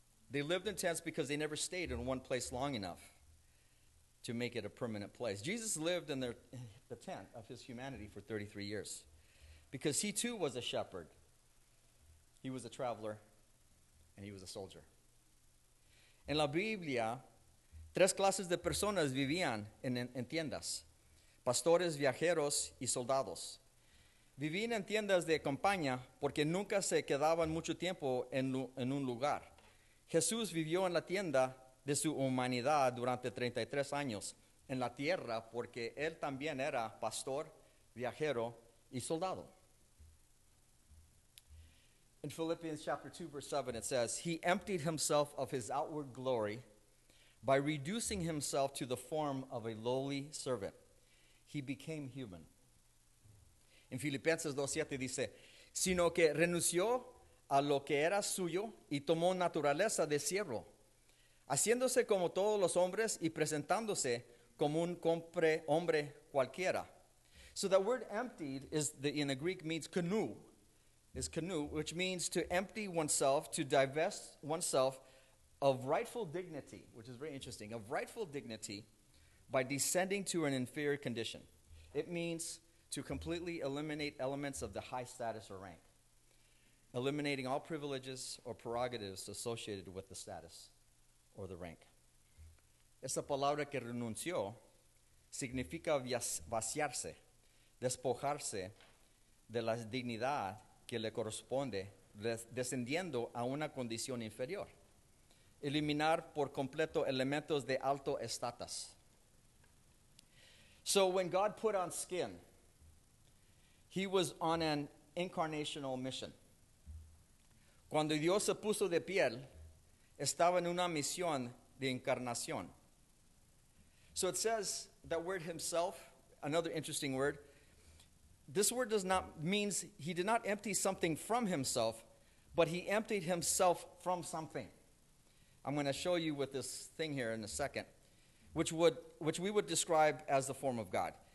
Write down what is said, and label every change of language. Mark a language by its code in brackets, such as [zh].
[en] They lived in tents because they never stayed in one place long enough to make it a permanent place. Jesus lived in the tent of his humanity for 33 years because he too was a shepherd. He was a traveler, and he was a soldier. [es] En la Biblia, tres clases de personas vivían en tiendas: pastores, viajeros y soldados. Vivían en tiendas de campaña porque nunca se quedaban mucho tiempo en un lugar. Jesús vivió en la tienda de su humanidad durante 33 años en la tierra porque él también era pastor, viajero y soldado. [en] In Philippians chapter 2, verse 7, it says, "He emptied himself of his outward glory by reducing himself to the form of a lowly servant. He became human." [es] In Filipenses 2:7 dice, "Sino que renunció a lo que era suyo y tomó naturaleza de siervo, haciéndose como todos los hombres y presentándose como un hombre cualquiera." [en] So that word emptied is in the Greek means canoe. Is canoe, which means to empty oneself, to divest oneself of rightful dignity, which is very interesting, of rightful dignity by descending to an inferior condition. It means to completely eliminate elements of the high status or rank, eliminating all privileges or prerogatives associated with the status or the rank. [es] Esa palabra que renunció significa vaciarse, despojarse de la dignidad que le corresponde, descendiendo a una condición inferior. Eliminar por completo elementos de alto estatus. [en] So when God put on skin, He was on an incarnational mission. [es] Cuando Dios se puso de piel, estaba en una misión de encarnación. [en] So it says that word himself, another interesting word. This word does not means he did not empty something from himself, but he emptied himself from something. I'm going to show you with this thing here in a second, which we would describe as the form of God.